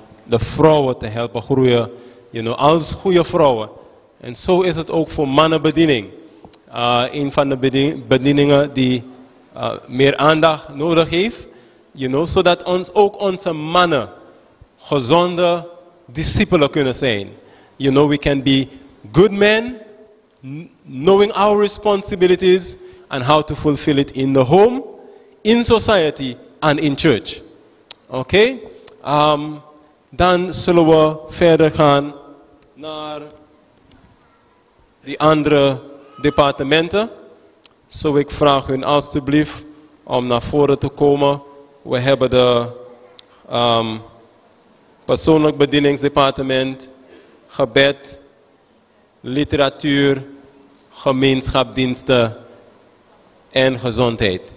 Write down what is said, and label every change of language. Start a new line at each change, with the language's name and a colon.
Dutch: de vrouwen te helpen groeien, you know, als goede vrouwen. En zo is het ook voor mannenbediening. Een van de bedieningen die meer aandacht nodig heeft, you know, zodat ons ook onze mannen gezonde discipelen kunnen zijn.
English: You know, we can be good men, knowing our responsibilities and how to fulfill it in the home, in society and in church. Oké? Okay?
Dutch: Dan zullen we verder gaan naar die andere departementen. Zo, ik vraag u alstublieft om naar voren te komen. We hebben de persoonlijk bedieningsdepartement, gebed, literatuur, gemeenschapdiensten en gezondheid.